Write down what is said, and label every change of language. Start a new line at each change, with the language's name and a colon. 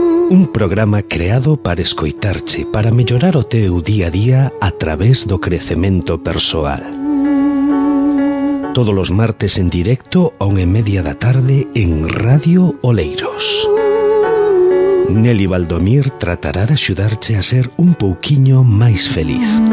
Galician: Un programa creado para escoitarche, para mellorar o teu día a día a través do crecemento persoal.
Spanish: Todos los martes en directo a 1:30 PM en Radio Oleiros.
Galician: Nelly Baldomir tratará de axudarche a ser un pouquiño máis feliz.